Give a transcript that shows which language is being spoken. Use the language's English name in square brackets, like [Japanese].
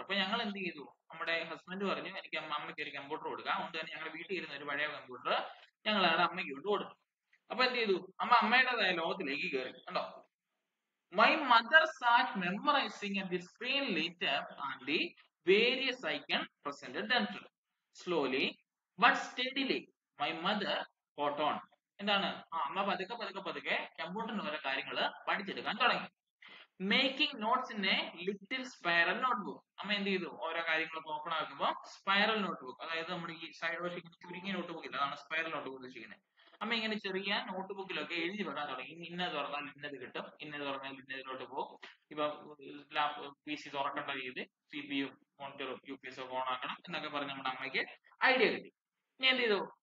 [Malayalam] അപ്പൊ ഞങ്ങൾ എന്ത് ചെയ്തു, നമ്മുടെ ഹസ്ബൻഡ് പറഞ്ഞു എനിക്ക് അമ്മയ്ക്ക് ഒരു കമ്പ്യൂട്ടർ കൊടുക്കാം, അതുകൊണ്ട് തന്നെ ഞങ്ങളുടെ വീട്ടിൽ ഇരുന്ന ഒരു പഴയ കമ്പ്യൂട്ടർ ഞങ്ങൾ അവിടെ അമ്മയ്ക്ക് കൊണ്ട് കൊടുത്തു. അപ്പൊ എന്ത് ചെയ്തു, അമ്മ അമ്മയുടേതായ ലോകത്തിലേക്ക് കയറി കണ്ടോ. [English] My mother sat memorizing at the screen lit up and the various icons presented themselves. Slowly but steadily, my mother caught on. [Malayalam] എന്താണ്, അമ്മ പതുക്കെ പതുക്കെ പതുക്കെ കമ്പ്യൂട്ടറിന് വരെ കാര്യങ്ങൾ പഠിച്ചെടുക്കാൻ തുടങ്ങി. [English] Making notes in a little spiral notebook. [Malayalam] അമ്മ എന്ത് ചെയ്തു, ഓരോ കാര്യങ്ങൾ ഓപ്പൺ ആക്കുമ്പോൾ സ്പൈറൽ നോട്ട്ബുക്ക്, അതായത് നമ്മുടെ ഈ സൈഡ് വശം ചുരുങ്ങിയ നോട്ട്ബുക്ക് ഇല്ല, അതാണ് സ്പൈറൽ നോട്ട്ബുക്ക് ഉദ്ദേശിക്കുന്നത്. അമ്മ ഇങ്ങനെ ചെറിയ നോട്ട്ബുക്കിലൊക്കെ എഴുതി വെക്കാൻ തുടങ്ങി, ഇന്നത് തുറന്നാൽ ഇന്നത് കിട്ടും, ഇന്നത് തുറന്നാൽ ഇന്നതിലോട്ട് പോകും, ഇപ്പൊ ലാപ്ടോപ്പ് പി സി തുറക്കേണ്ട രീതി സിപിയു മോണിറ്ററും യു പി എസ് ഒക്കെ ഓൺ ആക്കണം എന്നൊക്കെ പറഞ്ഞ് നമ്മുടെ അമ്മയ്ക്ക് ഐഡിയ കിട്ടി. ഇനി എന്ത് ചെയ്തു,